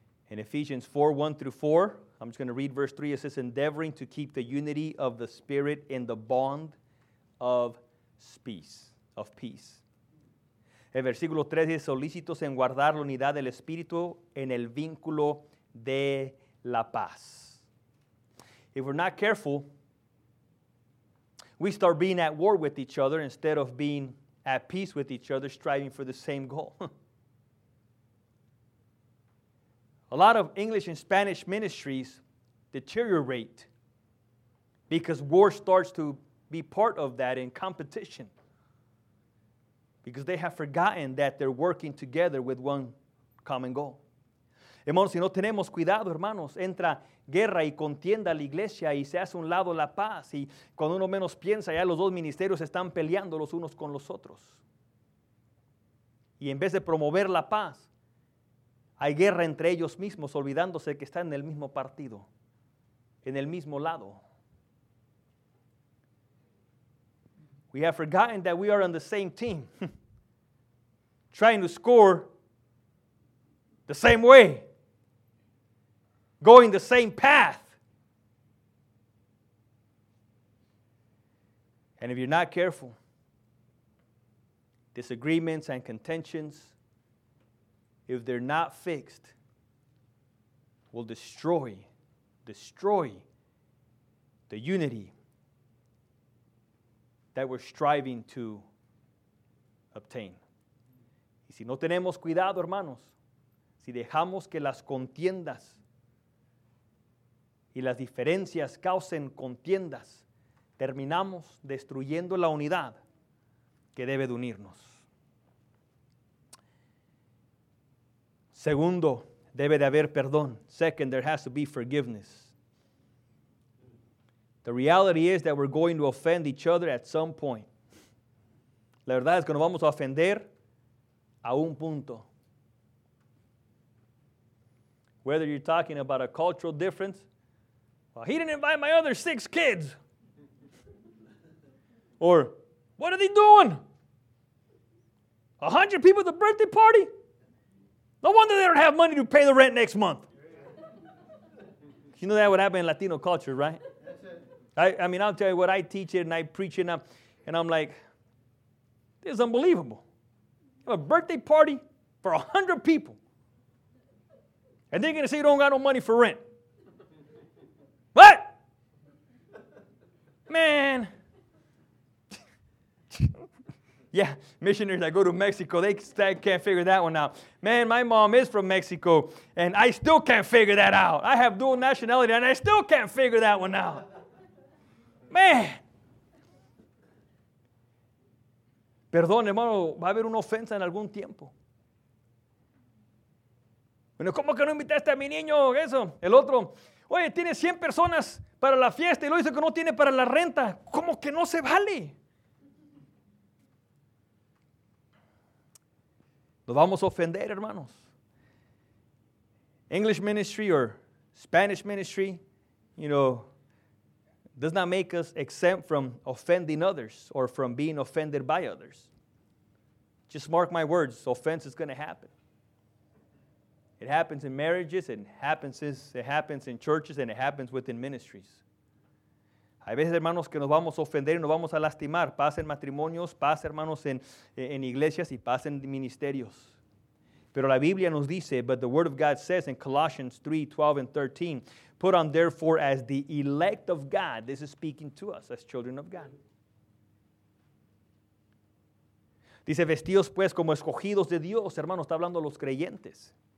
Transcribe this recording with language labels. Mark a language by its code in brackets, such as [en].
[en] In Ephesians 4:1-4, I'm just going to read verse 3. It says, endeavoring to keep the unity of the Spirit in the bond of peace. [es] El versículo 3 dice, solícitos en guardar la unidad del Espíritu en el vínculo de la paz. [en] If we're not careful, we start being at war with each other instead of being at peace with each other, striving for the same goal. A lot of English and Spanish ministries deteriorate because war starts to be part of that in competition, because they have forgotten that they're working together with one common goal. [es] Hermanos, si no tenemos cuidado, hermanos, entra guerra y contienda a la iglesia y se hace a un lado la paz. Y cuando uno menos piensa, ya los dos ministerios están peleando los unos con los otros. Y en vez de promover la paz, hay guerra entre ellos mismos, olvidándose que están en el mismo partido, en el mismo lado. [en] We have forgotten that we are on the same team, trying to score the same way, going the same path. And if you're not careful, disagreements and contentions, if they're not fixed, will destroy the unity that we're striving to obtain. [es] Y si no tenemos cuidado, hermanos, si dejamos que las contiendas y las diferencias causen contiendas, terminamos destruyendo la unidad que debe de unirnos. Segundo, debe de haber perdón. [en] Second, there has to be forgiveness. The reality is that we're going to offend each other at some point. [es] La verdad es que nos vamos a ofender a un punto. [en] Whether you're talking about a cultural difference, well, he didn't invite my other 6 kids. Or, what are they doing? 100 people at the birthday party? No wonder they don't have money to pay the rent next month. You know that would happen in Latino culture, right? I mean, I'll tell you what, I teach it and I preach it, and I'm like, this is unbelievable. You have a birthday party for 100 people, and they're going to say you don't got no money for rent. What? Man. Yeah, missionaries that go to Mexico, they can't figure that one out. Man, my mom is from Mexico, and I still can't figure that out. I have dual nationality, and I still can't figure that one out. Man. [es] Perdón, hermano, va a haber una ofensa en algún tiempo. Bueno, ¿cómo que no invitaste a mi niño? Eso, el otro. Oye, tiene 100 personas para la fiesta y lo dice que no tiene para la renta. ¿Cómo que no se vale? Nos vamos a ofender, hermanos. [en] English ministry or Spanish ministry, you know, does not make us exempt from offending others or from being offended by others. Just mark my words, offense is going to happen. It happens in marriages, it happens in churches, and it happens within ministries. [es] Hay veces, hermanos, que nos vamos a ofender y nos vamos a lastimar. Pasa en matrimonios, pasa, hermanos, en iglesias y pasa en ministerios. Pero la Biblia nos dice, [en] but the Word of God says in Colossians 3, 12 and 13, put on therefore as the elect of God. This is speaking to us as children of God. [es] Dice, vestidos pues como escogidos de Dios. Hermanos, está hablando a los creyentes.